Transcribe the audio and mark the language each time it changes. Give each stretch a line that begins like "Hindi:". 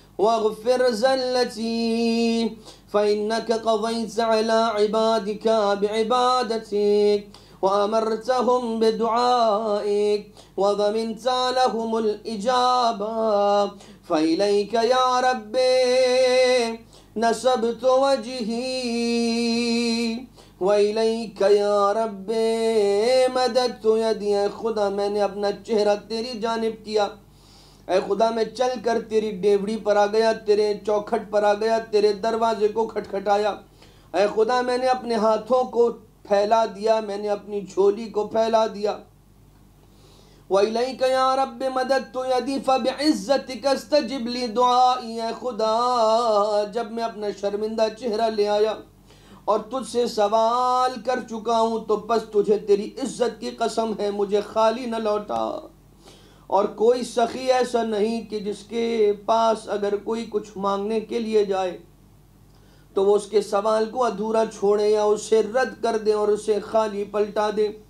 Arabic: واغفر زلتي فإنك قضيت على عبادك بعبادتك وأمرتهم بدعائك وضمنت لهم الإجابة فإليك يا ربي نسبت وجهي وإليك يا ربي مددت يدي.
Urdu: أي خدا میں نے اپنا چہرہ تیری جانب کیا, اے خدا میں چل کر تیری ڈیوڑی پر آ گیا, تیرے چوکھٹ پر آ گیا, تیرے دروازے کو کھٹکھٹایا. اے خدا میں نے اپنے ہاتھوں کو پھیلا دیا, میں نے اپنی جھولی کو پھیلا دیا.
Arabic: وإليك يا رب مددت يدي فبعزتك استجب لي دعائي.
Urdu: اے خدا جب میں اپنا شرمندہ چہرہ لے آیا اور تجھ سے سوال کر چکا ہوں تو پس تجھے تیری عزت کی قسم ہے مجھے خالی نہ لوٹا, اور کوئی سخی ایسا نہیں کہ جس کے پاس اگر کوئی کچھ مانگنے کے لیے جائے تو وہ اس کے سوال کو ادھورا چھوڑے یا اسے رد کر دے اور اسے خالی پلٹا دے.